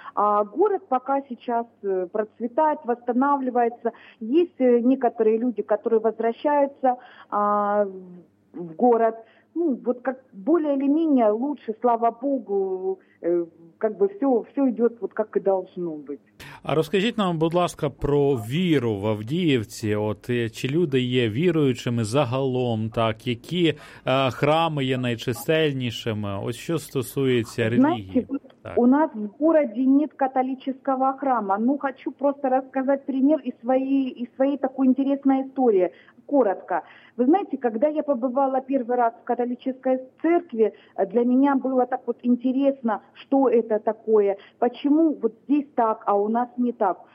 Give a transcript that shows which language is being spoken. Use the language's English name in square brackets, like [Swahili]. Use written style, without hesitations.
[Russian] А город пока сейчас процветает, восстанавливается. Есть некоторые люди, которые возвращаются в город. Ну, вот как более или менее лучше, слава Богу, как бы все идет вот как и должно быть. А расскажите нам, [Ukrainian] будь ласка, про віру в Авдіївці. От чи люди є віруючими загалом, так, які храми є найчисельнішими? Ось що стосується релігії. Так. [Russian] У нас в городе нет католического храма. Ну, хочу просто рассказать пример из своей такой интересной истории. Коротко. Вы знаете, когда я побывала первый раз в католической церкви, для меня было так вот интересно, что это такое, почему вот здесь так, а у нас не так.